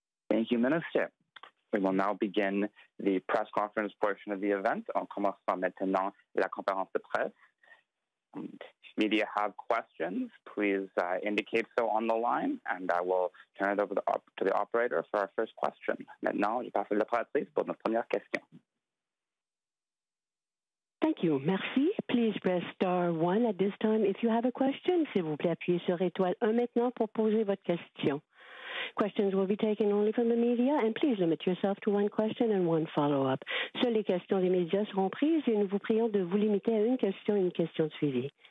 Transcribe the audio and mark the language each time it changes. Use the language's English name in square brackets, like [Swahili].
[English] Thank you, Minister. We will now begin the press conference portion of the event. [French] On commence maintenant la conférence de presse. [English] Media have questions. Please indicate so on the line, and I will turn it over to the operator for our first question. [French] Maintenant, je passe la parole, please, pour notre première question. [English] Thank you. Merci. Please press star 1 at this time if you have a question. [French] S'il vous plaît, appuyez sur étoile 1 maintenant pour poser votre question. [English] Questions will be taken only from the media, and please limit yourself to one question and one follow-up. [French] Seules les questions des médias seront prises, et nous vous prions de vous limiter à une question et une question de suivi.